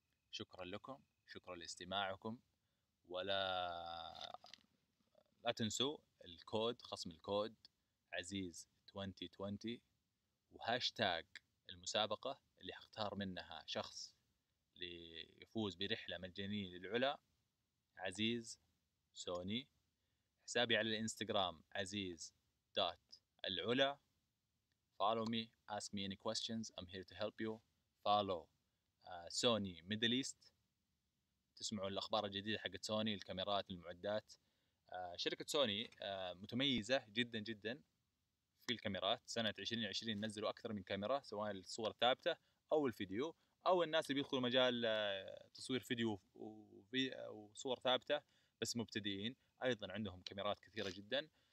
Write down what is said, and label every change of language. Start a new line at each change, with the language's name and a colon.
Arabic: شكرا لكم، شكرا لاستماعكم، ولا تنسوا الكود، خصم الكود عزيز 2020 وهاشتاج المسابقة اللي هختار منها شخص ليفوز برحلة مجانية للعلا، عزيز سوني. حسابي على الانستغرام aziz.العلا.
English: Follow me, ask me any questions, I'm here to help you. Follow Sony Middle East.
Arabic: تسمعوا الأخبار الجديدة حق سوني، الكاميرات، المعدات. شركة سوني متميزة جدا جدا في الكاميرات. سنة 2020 نزلوا أكثر من كاميرا، سواء الصور الثابتة أو الفيديو، أو الناس اللي بيدخلوا مجال تصوير فيديو وصور ثابتة بس مبتدئين، أيضا عندهم كاميرات كثيرة جدا.